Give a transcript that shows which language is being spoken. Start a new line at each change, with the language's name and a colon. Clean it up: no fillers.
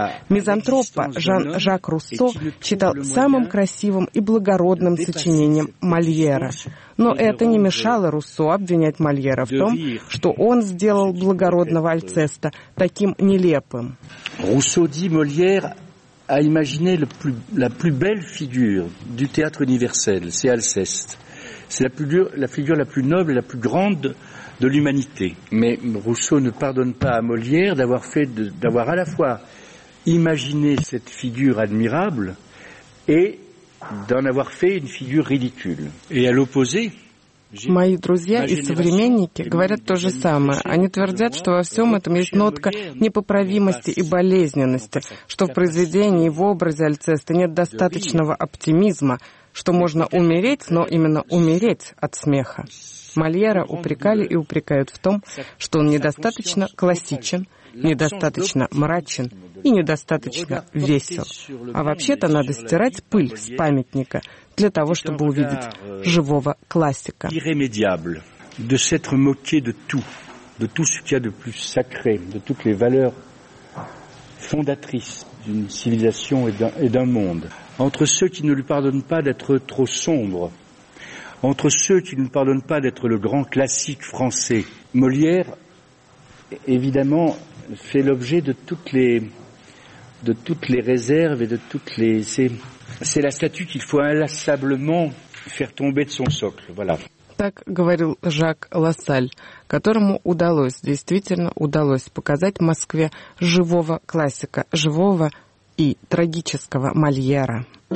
Russian: «Мизантропа» Жан-Жак Руссо считал самым красивым и благородным сочинением Мольера. Но это не мешало Руссо обвинять Мольера в том, что он сделал благородного Альцеста таким нелепым.
French: Руссо dit Molière a imaginé la plus belle figure du théâtre universel, c'est Alceste. C'est la figure la plus noble et la plus grande de l'humanité. Mais Rousseau ne pardonne pas à Molière d'avoir à la fois imaginé cette figure admirable et d'en avoir fait une figure ridicule. Et à l'opposé,
Russian: мои друзья и современники говорят то же самое. Они твердят, что во всем этом есть нотка непоправимости и болезненности, что в произведении и в образе Альцеста нет достаточного оптимизма, что можно умереть, но именно умереть от смеха. Мольера упрекали и упрекают в том, что он недостаточно классичен, недостаточно мрачен и недостаточно весел. А вообще-то надо стирать пыль с памятника для того, чтобы увидеть живого классика.
French: Irrémédiable de s'être moqué de tout ce qu'il y a de plus sacré, de toutes les valeurs fondatrices d'une civilisation et d'un monde. Entre ceux qui ne lui pardonnent pas d'être trop sombre, entre ceux qui ne lui pardonnent pas d'être le grand classique français, Molière, évidemment, fait l'objet de toutes les réserves et de toutes les c'est la statue qu'il faut inlassablement faire tomber de son socle. Voilà.
Russian: Так говорил Жак Лассаль, которому удалось, действительно удалось показать Москве живого классика, живого и трагического Мольера.